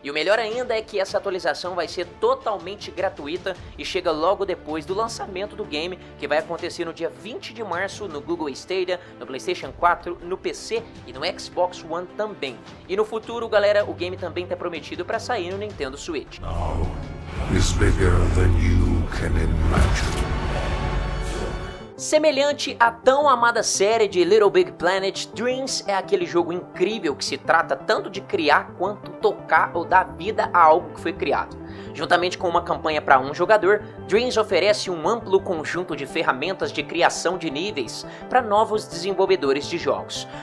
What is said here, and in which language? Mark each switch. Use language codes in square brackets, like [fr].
[pt] E o melhor ainda é que essa atualização vai ser totalmente gratuita e chega logo depois do lançamento do game, que vai acontecer no dia 20 de março no Google Stadia, no PlayStation 4, no PC e no Xbox One também. E no futuro, galera, o game também tá prometido para sair no Nintendo Switch. Não. [en] Is bigger than you can imagine. [pt] Semelhante à tão amada série de Little Big Planet, Dreams é aquele jogo incrível que se trata tanto de criar quanto tocar ou dar vida a algo que foi criado. Juntamente com uma campanha para um jogador, Dreams oferece um amplo conjunto de ferramentas de criação de níveis para novos desenvolvedores de jogos.